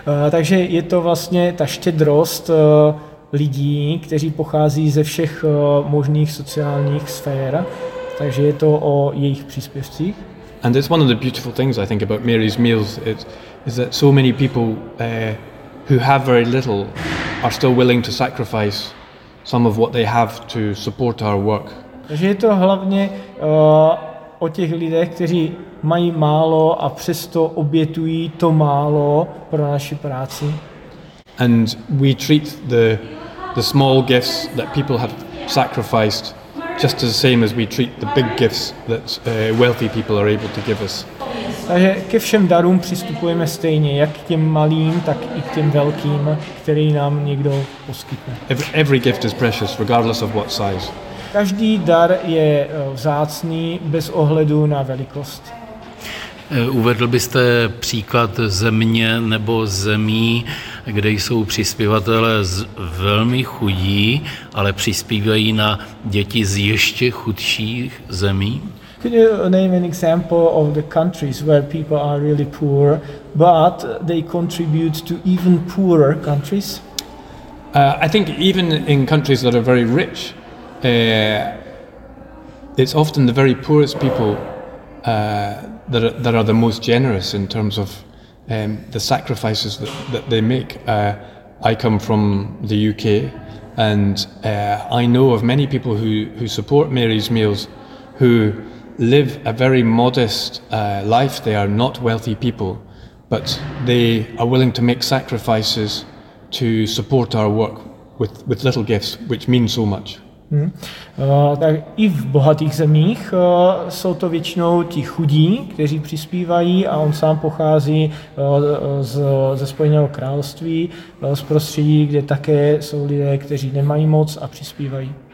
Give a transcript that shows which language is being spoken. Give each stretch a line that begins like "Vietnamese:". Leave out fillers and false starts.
Czech: Takže je to vlastně ta štědrost lidí, kteří pochází ze všech možných sociálních sfér, takže je to o jejich příspěvcích.
English: And it's one of the beautiful things I think about Mary's Meals is that so many people who have very little are still willing to sacrifice some of what they have to support our work.
Czech: Takže je to hlavně o těch lidech, kteří mají málo a přesto obětují to málo pro naši práci.
English: And we treat the the small gifts that people have sacrificed just as the same as we treat the big gifts that wealthy people are able to give us.
Czech: Takže ke všem darům přistupujeme stejně, jak těm malým, tak i těm velkým, který nám někdo poskytne.
English: Every gift is precious, regardless of what size.
Czech: Každý dar je vzácný bez ohledu na velikost. Uvedl byste příklad země nebo zemí, kde jsou přispěvatelé velmi chudí, ale přispívají na děti z ještě chudších zemí?
English: Could you name an example of the countries where people are really poor, but they contribute to even poorer countries? I think even in countries that are very rich, it's often the very poorest people that are the most generous in terms of the sacrifices that they make. I come from the UK, and I know of many people who support Mary's Meals, who live a very modest life. They are not wealthy people, but they are willing to make sacrifices to support our work with little gifts, which mean so much.
Czech: Tak i v bohatých zemích jsou to většinou ti chudí, kteří přispívají, a on sám pochází ze Spojeného království, z prostředí, kde také jsou lidé, kteří nemají moc a přispívají.